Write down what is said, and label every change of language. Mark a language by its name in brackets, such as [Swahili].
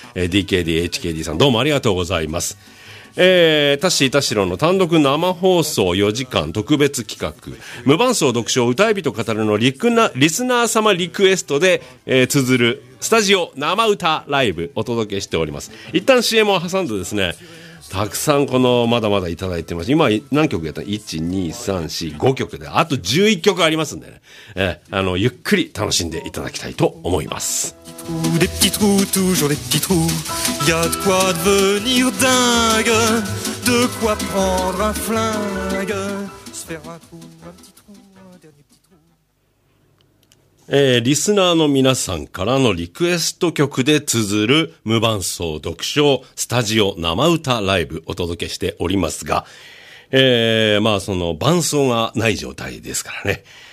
[Japanese] DKD、HKD さん、どうもありがとうございます。タッシー田代の単独生放送4時間特別企画、無伴奏読書歌い人語るのリスナー様リクエストで、綴るスタジオ生歌ライブお届けしております。一旦 CM を挟んでですね、たくさんこのまだまだいただいてます。今何曲やったの？ 1,2,3,4,5 曲で、あと11曲ありますんでね、ゆっくり楽しんでいただきたいと思います。 [French] Des petits trous, toujours des petits trous. Y'a de quoi devenir dingue, de quoi prendre un flingue, se faire un trou, un petit trou. [Japanese] リスナーの皆さんからのリクエスト曲で綴る無伴奏読書スタジオ生歌ライブお届けしておりますが、まあその伴奏がない状態ですからね、